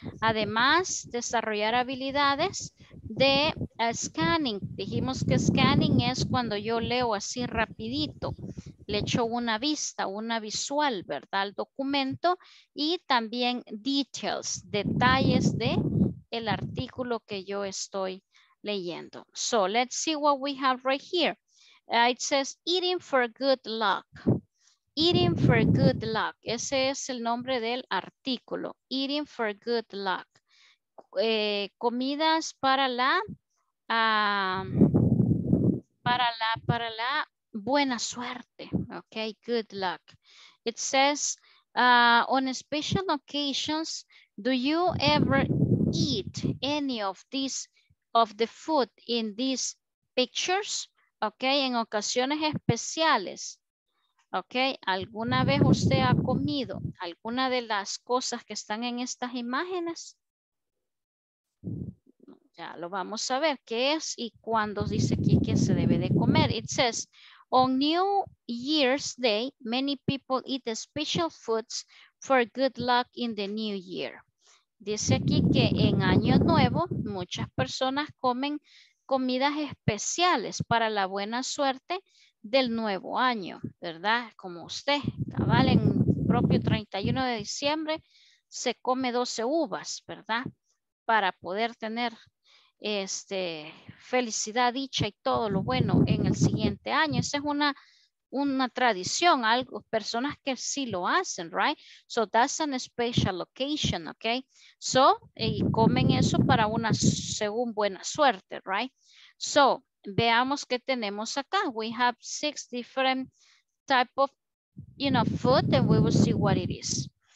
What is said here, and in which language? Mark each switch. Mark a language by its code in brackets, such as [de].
[es] Además, desarrollar habilidades de scanning. Dijimos que scanning es cuando yo leo así rapidito. Le echo una vista, una visual, ¿verdad? Al documento. Y también details, detalles de el artículo que yo estoy leyendo. [en] So, let's see what we have right here. It says, eating for good luck. Eating for good luck. Ese es el nombre del artículo. Eating for good luck. [es] Comidas para la... Para la buena suerte. [en] Okay, good luck. It says, on special occasions, do you ever eat any of these, of the food in these pictures? [es] Okay, en ocasiones especiales. Okay, ¿alguna vez usted ha comido alguna de las cosas que están en estas imágenes? Ya lo vamos a ver qué es y cuándo dice aquí que se debe de comer. [en] It says, on New Year's Day, many people eat special foods for good luck in the new year. [es] Dice aquí que en Año Nuevo muchas personas comen comidas especiales para la buena suerte del nuevo año, ¿verdad? Como usted, cabal, en propio 31 de diciembre se come 12 uvas, ¿verdad? Para poder tener este, felicidad, dicha y todo lo bueno en el siguiente año. Esa es una tradición, algo, personas que sí lo hacen, right? [en] So that's an special occasion, okay? So, y comen eso para una, según buena suerte, right? [es] So, veamos qué tenemos acá. [en] We have 6 different type of, you know, food, and we will see what it is.